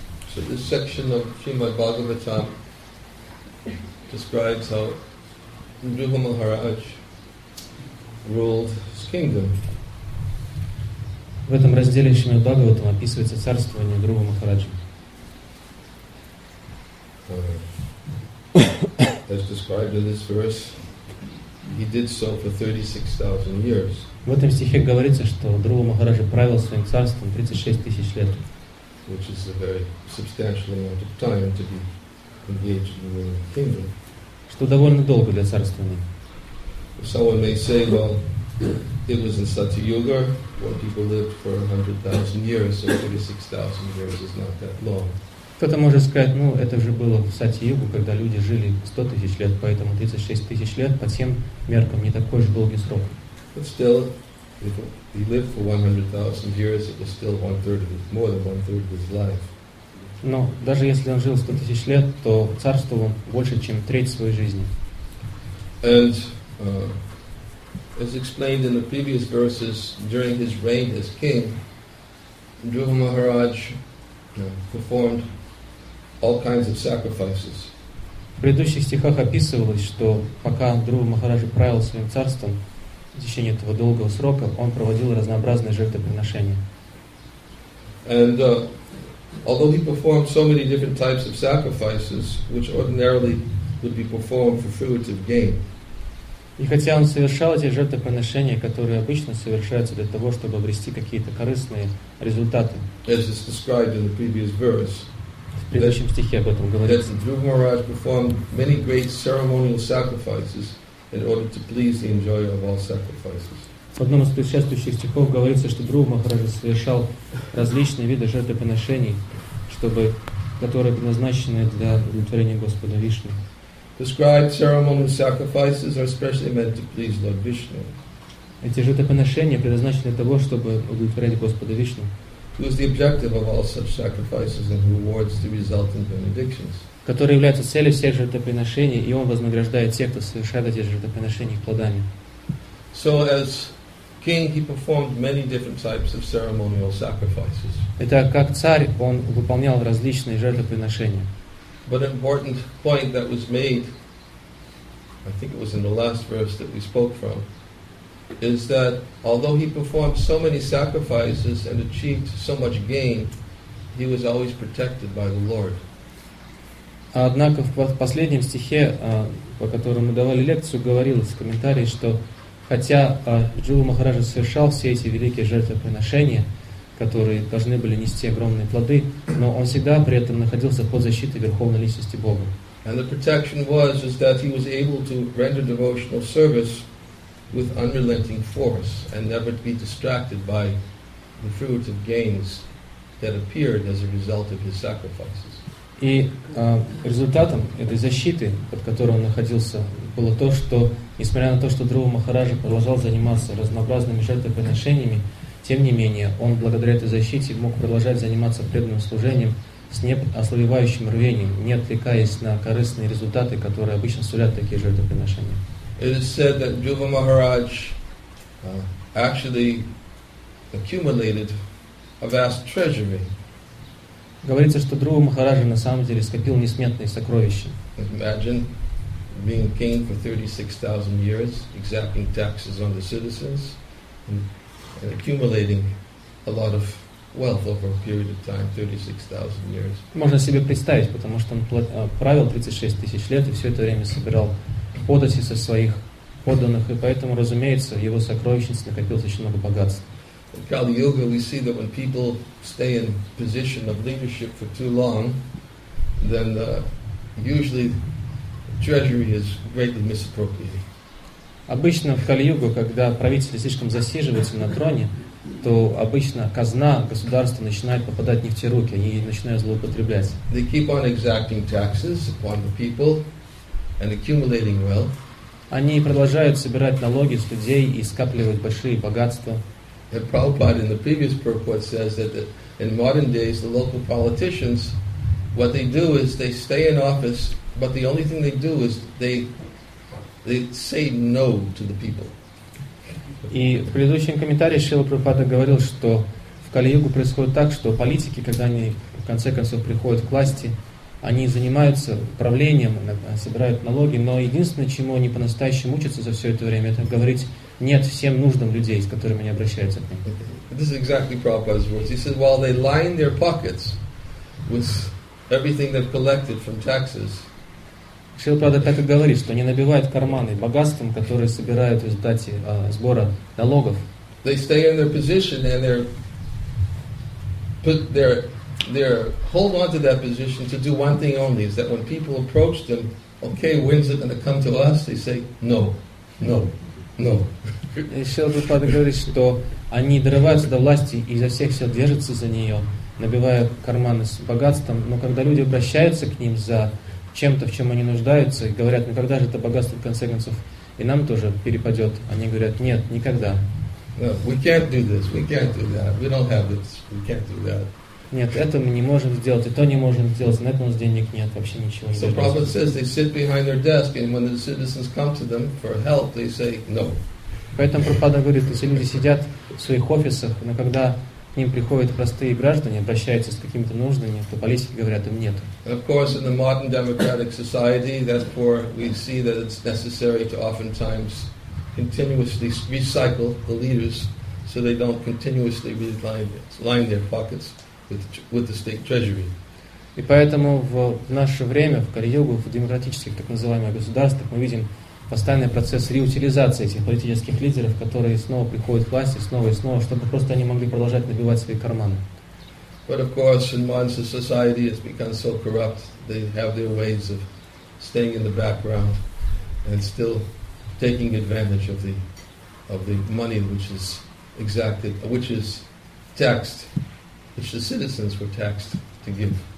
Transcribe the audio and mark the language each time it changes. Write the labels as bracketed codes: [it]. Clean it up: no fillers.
[en] So this section of Srimad Bhagavatam describes how Nruha Maharaj ruled his kingdom. [ru] В этом разделе Шримад Бхагаватам описывается царствование Нруха Махараджи. [en] As described in this verse, he did so for 36,000 years. [ru] В этом стихе говорится, что Нруха Махараджи правил своим царством 36 тысяч лет. [en] Which is a very substantial amount of time to be engaged in the kingdom. [ru] Что довольно долго для царствования. [en] Someone may say, well, it was in Satyuga where people lived for 100,000 years, so 36,000 years is not that long. [ru] Кто-то может сказать, ну, это же было в Сатьюгу, когда люди жили 100 тысяч лет, поэтому 36 тысяч лет по всем меркам не такой же долгий срок. [en] But still, if he lived for 100,000 years, it was still more than one third of his life. [ru] Но даже если он жил 100 тысяч лет, то царствовал больше, чем треть своей жизни. [en] And, as explained in the previous verses, during his reign as king, Nruha Maharaj performed all kinds of sacrifices. [ru] В предыдущих стихах описывалось, что пока Нруха Махараджа правил своим царством в течение этого долгого срока, он проводил разнообразные жертвоприношения. [en] And, although he performed so many different types of sacrifices, which ordinarily would be performed for fruitive gain. [ru] И хотя он совершал эти жертвоприношения, которые обычно совершаются для того, чтобы обрести какие-то корыстные результаты. [en] As is described in the previous verse. [ru] В предыдущем стихе об этом говорится. [en] Nruha Maharaj performed many great ceremonial sacrifices in order to please the enjoyer of all sacrifices. [ru] В одном из предшествующих стихов говорится, что Нруха Махараджа совершал различные виды жертвоприношений, которые предназначены для удовлетворения Господа Вишну. [en] Described ceremonial sacrifices are specially meant to please Lord Vishnu. [ru] Эти жертвоприношения предназначены для того, чтобы удовлетворять Господа Вишну. [en] Who is the objective of all such sacrifices and rewards the resultant benedictions? [ru] Который является целью всех жертвоприношений, и он вознаграждает тех, кто совершает эти жертвоприношения их плодами. [en] So as king, he performed many different types of ceremonial sacrifices. [ru] Итак, как царь, он выполнял различные жертвоприношения. [en] But an important point that was made, I think it was in the last verse that we spoke from, is that although he performed so many sacrifices and achieved so much gain, he was always protected by the Lord. [ru] Однако в последнем стихе, по которому мы давали лекцию, говорилось в комментарии, что хотя Джива Махараджа совершал все эти великие жертвоприношения, которые должны были нести огромные плоды, но он всегда при этом находился под защитой Верховной Личности Бога. [en] And the protection was is that he was able to render devotional service with unrelenting force and never be distracted by the fruits of gains that appeared as a result of his sacrifices. [ru] И результатом этой защиты, под которой он находился, было то, что, несмотря на то, что Друва Махараджа продолжал заниматься разнообразными жертвоприношениями, тем не менее, он благодаря этой защите мог продолжать заниматься преданным служением с неослабевающим рвением, не отвлекаясь на корыстные результаты, которые обычно сулят такие жертвоприношения. [en] It is said that Druva Maharaj actually accumulated a vast treasury. [ru] Говорится, что Друва Махараджа на самом деле скопил несметные сокровища. [en] Imagine being king for 36,000 years, exacting taxes on the citizens, and accumulating a lot of wealth over a period of time, 36,000 years. [ru] Можно себе представить, потому что он правил 36 тысяч лет и все это время собирал подати со своих подданных, и поэтому, разумеется, в его сокровищнице накопилось очень много богатств. [en] In Kali Yuga, we see that when people stay in position of leadership for too long, then usually treasury is greatly misappropriated. [ru] Обычно в Кали-Югу, когда правители слишком засиживаются на троне, то обычно казна государства начинает попадать не в те руки, они начинают злоупотреблять. [en] They keep on exacting taxes upon the people and accumulating wealth. [ru] Они продолжают собирать налоги с людей и скапливать большие богатства. [en] And Prabhupada in the previous purport says that in modern days the local politicians, what they do is they stay in office, but the only thing they do is they say no to the people. [ru] И в предыдущем комментарии Шрила Прабхупада говорил, что в Кали-Югу происходит так, что политики, когда они в конце концов приходят к власти, они занимаются правлением, собирают налоги, но единственное, чему они по-настоящему учатся за все это время, это говорить нет всем нуждам людей, с которыми они обращаются к ним. [en] This is exactly Prabhupada's words. He said, while they line their pockets with everything they've collected from taxes, [ru] Шрила Прабхупада так и говорит, что они набивают карманы богатством, которое собирают в результате сбора налогов. [en] They stay in their position and they're put their they're hold on to that position to do one thing only, is that when people approach them, okay, when's it going to come to us? They say, no, no, no. [ru] Шрила Прабхупада говорит, что они дорываются до власти и изо всех сил держатся за нее, набивая карманы с богатством, но когда люди обращаются к ним за чем-то, в чем они нуждаются, и говорят, ну когда же это богатство, в конце концов, и нам тоже перепадет? Они говорят, нет, никогда. [en] No, we can't do this, we can't do that. We don't have this, we can't do that. [ru] Нет, это мы не можем сделать, и то не можем сделать, на это у нас денег нет, вообще ничего не делать. [en] So Prabhupada says they sit behind their desk, and when the citizens come to them for help, they say no. [ru] Поэтому Прабхупада говорит, если люди сидят в своих офисах, но когда к ним приходят простые граждане, обращаются с какими-то нуждами, то политики говорят им нет. [en] Of course, in the modern democratic society, therefore, we see that it's necessary to oftentimes continuously recycle the leaders so they don't continuously line their pockets with the state treasury. [ru] И поэтому в наше время, в Кали-Югу, в демократических так называемых государствах, мы видим постоянный процесс реутилизации этих политических лидеров, которые снова приходят к власти, снова и снова, чтобы просто они могли продолжать набивать свои карманы. [en] But of course, in modern society, it's become so corrupt. They have their ways of staying in the background and still taking advantage of the money which is exacted, which is taxed, which the citizens were taxed to give.